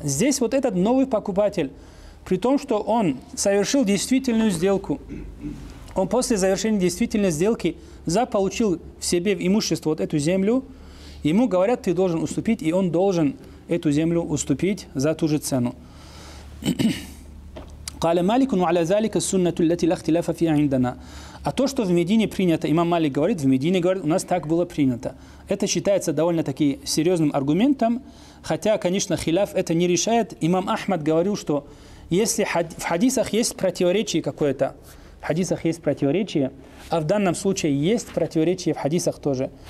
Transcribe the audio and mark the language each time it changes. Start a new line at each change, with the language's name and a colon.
Russian: Здесь вот этот новый покупатель, при том, что он совершил действительную сделку, он после завершения действительной сделки заполучил в себе в имущество вот эту землю, ему говорят, ты должен уступить, и он должен эту землю уступить за ту же цену.
Arabic: قال مالك وعلى ذلك السنة التي لا اختلاف فيها عندنا.
Russian: А то, что в Медине принято, имам Малик говорит, в Медине говорит, у нас так было принято. Это считается довольно-таки серьезным аргументом, хотя, конечно, хиляф это не решает. Имам Ахмад говорил, что если в хадисах есть противоречие какое-то, в хадисах есть противоречие, а в данном случае есть противоречие в хадисах тоже.